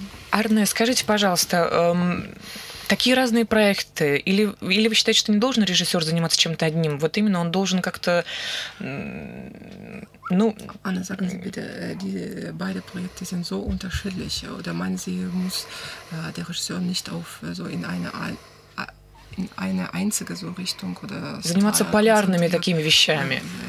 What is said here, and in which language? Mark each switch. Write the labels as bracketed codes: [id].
[ru] Арне, скажите, пожалуйста, такие разные проекты, или вы считаете, что не должен режиссер заниматься чем-то одним? Вот именно он должен как-то, ну... [de] Anna, sagen Sie bitte, die beide Projekte sind so unterschiedlich, oder meinen Sie, muss der Regisseur nicht auf so in eine einzige so Richtung oder... [ru] Заниматься полярными такими вещами.